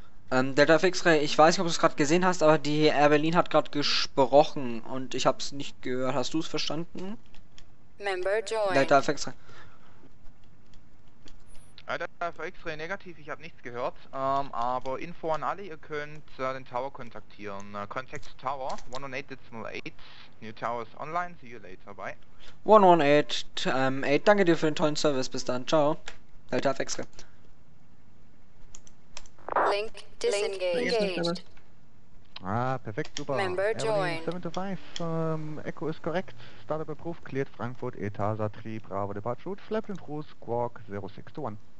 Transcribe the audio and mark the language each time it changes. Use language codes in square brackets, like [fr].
[de] Delta Alpha X-Ray, ich weiß nicht, ob du es gerade gesehen hast, aber die Air Berlin hat gerade gesprochen und ich habe es nicht gehört. Hast du es verstanden? [en] Member join. Delta Alpha X-Ray. [de] Delta Alpha X-Ray, negativ, ich habe nichts gehört. Aber Info an alle, ihr könnt den Tower kontaktieren. [en] Contact Tower, 118.8. New Towers online, see you later, bye. [de] 118.8, danke dir für den tollen Service, bis dann, ciao. [en] Delta Alpha X-Ray. Link disengaged. [de] Ah, perfekt, super. [en] Member join. 725, [de] Echo ist korrekt. [en] Startup approved, cleared Frankfurt, ETASA, Tri, Bravo, Departure Route, Flap and Cruise, Squawk 0621.